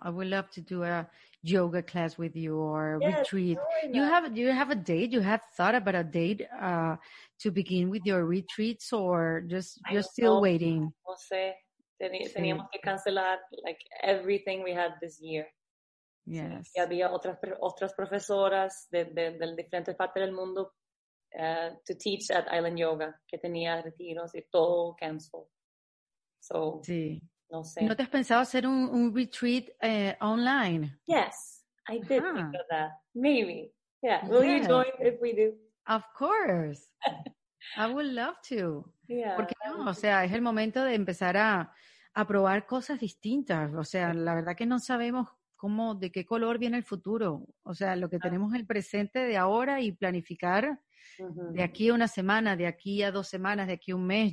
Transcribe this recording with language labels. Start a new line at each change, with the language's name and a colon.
English: I would love to do a yoga class with you or a retreat. You have a date? You have thought about a date to begin with your retreats or just you're still waiting?
Spanish: No sé. Teníamos que cancelar
English: like everything we had this year. Yes.
Spanish: Y había otras profesoras de diferentes partes del mundo
English: to teach at Island Yoga
Spanish: que tenía retiros y todo
English: canceled. So.
Spanish: Sí. No sé. ¿No te has pensado hacer un retreat online?
English: Yes, I did think of that. Maybe. Yeah. Will you join if we do? Of course. I would love to. Yeah.
Spanish: ¿Por qué no? O sea, es el momento de empezar a probar cosas distintas. O sea, la verdad que no sabemos cómo, de qué color viene el futuro. O sea, lo que tenemos en el presente de ahora y planificar de aquí a una semana, de aquí a dos semanas, de aquí a un mes.